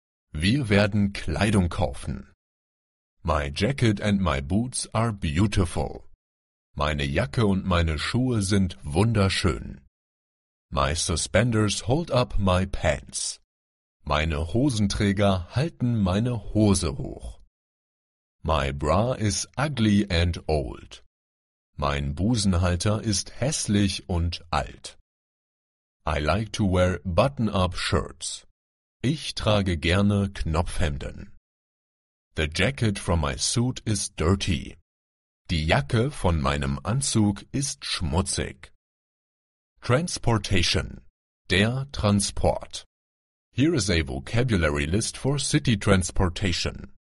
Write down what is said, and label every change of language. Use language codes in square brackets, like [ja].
[de] Wir werden Kleidung kaufen. [en] My jacket and my boots are beautiful. [de] Meine Jacke und meine Schuhe sind wunderschön. [en] My suspenders hold up my pants. [de] Meine Hosenträger halten meine Hose hoch. [en] My bra is ugly and old. [de] Mein Busenhalter ist hässlich und alt. [en] I like to wear button-up shirts. [de] Ich trage gerne Knopfhemden. [en] The jacket from my suit is dirty. [de] Die Jacke von meinem Anzug ist schmutzig. Transportation, der Transport. [en] Here is a vocabulary list for city transportation.